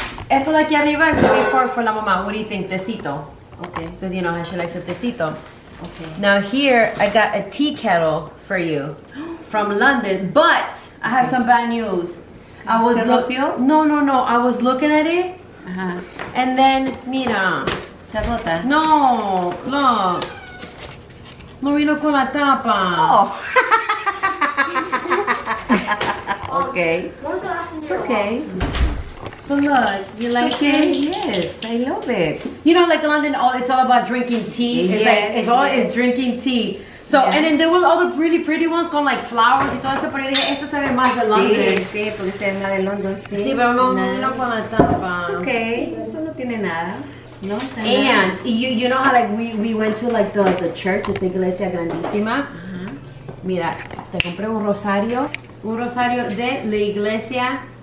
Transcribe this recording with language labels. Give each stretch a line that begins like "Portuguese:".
Spanish: Esto de aquí arriba
English: is going for
Spanish: la mamá.
English: What do you think? Tecito. Okay. Because you know how she likes her tecito. Okay. Now here, I got a tea kettle for you from London. But I have some bad news. I was looking. No. I was looking at it. Uh-huh. And then,
Spanish: mira. Tabota. No.
English: Look.
Spanish: No vino con la tapa.
English: Oh. Okay. It's okay. But look, you like okay. It? Yes, I love it. You know, like London, all it's all about drinking tea. It's yes, like it's all is drinking tea. So yeah. And then there were all the really pretty ones going like flowers
Spanish: y todo eso, pero yo dije, esto se ve más de
English: London.
Spanish: Sí, sí, porque se ve más de London, sí. Sí, pero no vino con la tapa.
English: It's okay,
Spanish: eso no tiene nada. No,
English: and nice. You know how like we went to like the church, it's the
Spanish: iglesia grandísima.
English: Uh-huh.
Spanish: Mira, te compré un rosario de la iglesia.